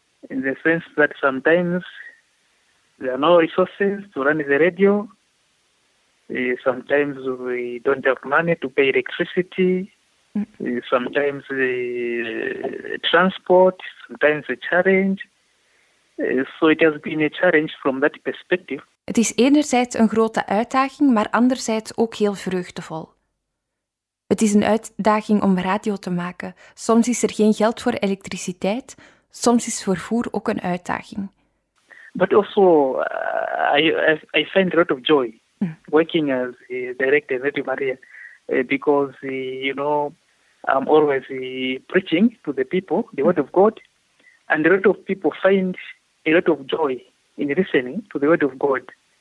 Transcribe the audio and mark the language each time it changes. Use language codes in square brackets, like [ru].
[en] In the sense that sometimes there are no resources to run the radio. Sometimes we don't have money to pay electricity. Sometimes the transport, sometimes a challenge. So it has been a challenge from that perspective. [nl] Het is enerzijds een grote uitdaging, maar anderzijds ook heel vreugdevol. Het is een uitdaging om radio te maken. Soms is er geen geld voor elektriciteit. Soms is vervoer ook een uitdaging. [en] But also, I find a lot of joy working as a director at Radio Maria, because you know I'm always preaching to the people the word of God, and a lot of people find a lot of joy in listening to the word of God.